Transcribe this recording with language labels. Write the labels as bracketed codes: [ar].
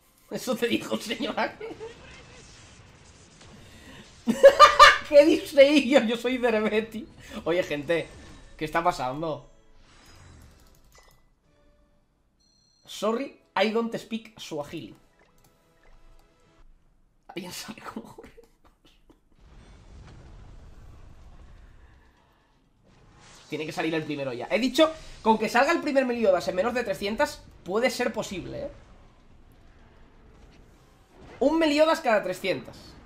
[es] Eso te dijo, señora. ¿Qué dice ella? Yo soy Derbeti. Oye, gente, ¿qué está pasando? [en] Sorry, I don't speak Swahili. [es] ¿Alguien sabe cómo jugar? Tiene que salir el primero ya. He dicho Con que salga el primer Meliodas en menos de 300, puede ser posible, ¿eh? Un Meliodas cada 300.